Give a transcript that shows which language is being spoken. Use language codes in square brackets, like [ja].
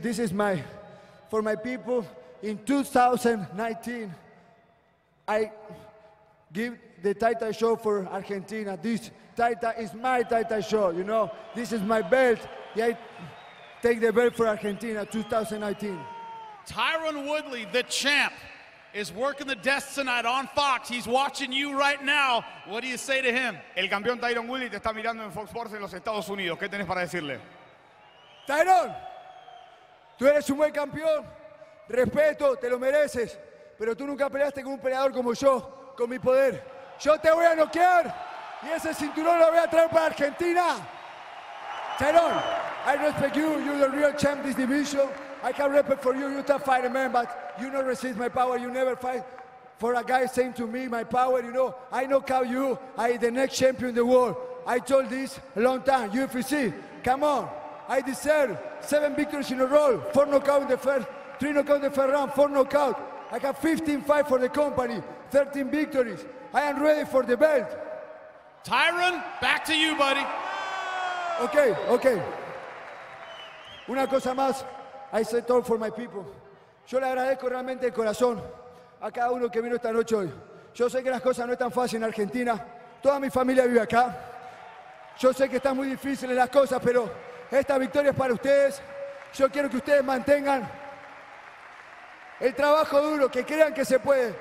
[en] This is my, for my people, in 2019, I give the title show for Argentina. This title is my title show, you know. This is my belt. Yeah, take the belt for Argentina, 2019. Tyron Woodley, the champ, is working the desk tonight on Fox. He's watching you right now. What do you say to him? [es] El campeón Tyron Woodley te está mirando en Fox Sports en los Estados Unidos. ¿Qué tenés para decirle? Tyron, tú eres un buen campeón. Respeto, te lo mereces. Pero tú nunca peleaste con un peleador como yo, con mi poder. Yo te voy a noquear y ese cinturón lo voy a traer para Argentina. [en] Tyron, I respect you. You're the real champ of this division. I can respect for you. You're a tough fighter, man, but you don't resist my power. You never fight for a guy saying to me, my power, you know. I knock out you. I'm the next champion in the world. I told this a long time. UFC, come on. I deserve 7 victories in a row. 4 knockouts in the first, 3 knockouts in the first round, 4 knockouts. I have 15 fights for the company, 13 victories. I am ready for the belt. Tyron, back to you, buddy. Okay, okay. [es] Una cosa más, [en] I said talk for my people. [es] Yo le agradezco realmente de corazón a cada uno que vino esta noche hoy. Yo sé que las cosas no están fáciles en Argentina. Toda mi familia vive acá. Yo sé que están muy difíciles las cosas, pero esta victoria es para ustedes. Yo quiero que ustedes mantengan el trabajo duro, que crean que se puede.